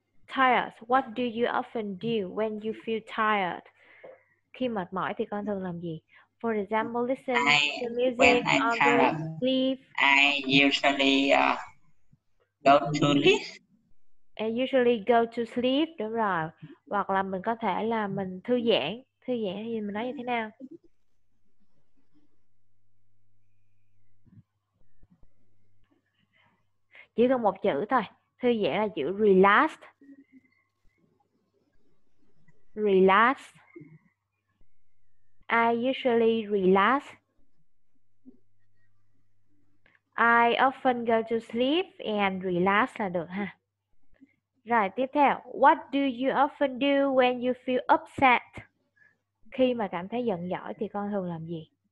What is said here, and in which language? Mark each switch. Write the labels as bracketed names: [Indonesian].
[English] Tired. What do you often do when you feel tired? [Vietnamese] Khi mệt mỏi thì con thường làm gì? [English] For example, listen to music when I or tired, sleep. I usually go to sleep. I usually go to sleep, [Vietnamese] đúng rồi. Hoặc là mình có thể là mình thư giãn. Thư giãn thì mình nói như thế nào? Chỉ cần một chữ thôi. Thư giãn là chữ relax. [English] Relax. I usually relax. I often go to sleep and relax [Vietnamese] là được ha. Rồi tiếp theo. [English] What do you often do when you feel upset? [Vietnamese] Khi mà cảm thấy giận dỗi thì con thường làm gì?